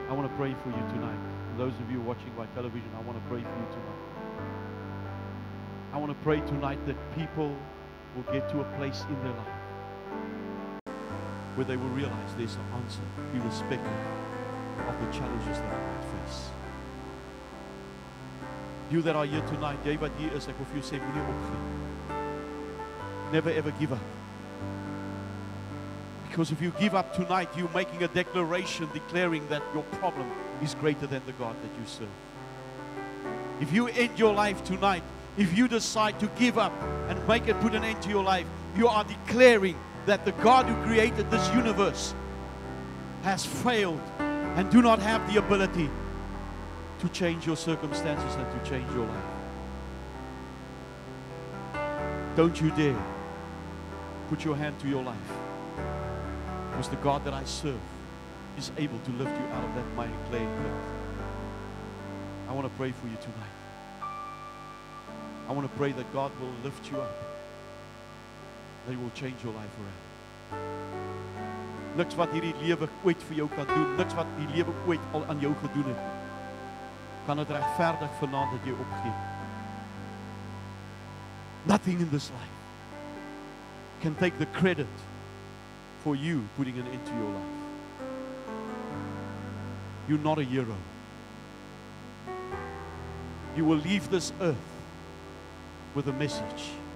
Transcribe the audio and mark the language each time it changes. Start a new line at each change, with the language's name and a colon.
English: I want to pray for you tonight. Those of you watching by television, I want to pray for you tonight. I want to pray tonight that people will get to a place in their life where they will realize there's an answer irrespective of the challenges that they might face. You that are here tonight,
Afrikaans: jy wat hier is, ek wil vir jou sê, moenie opgee.
English: Never ever give up. Because if you give up tonight, you're making a declaration declaring that your problem is greater than the God that you serve. If you end your life tonight, if you decide to give up and make it put an end to your life, you are declaring that the God who created this universe has failed and do not have the ability to change your circumstances and to change your life. Don't you dare put your hand to your life. Because the God that I serve is able to lift you out of that mighty clay pit. I want to pray for you tonight. I want to pray that God will lift you up. That He will change your life around.
Afrikaans: Niks wat hierdie lewe ooit vir jou kan doen, niks wat die lewe ooit al aan jou gedoen het, kan het regverdig vanaand dat jy opgee.
English: Nothing in this life can take the credit for you putting an end to your life. You're not a hero. You will leave this earth with a message.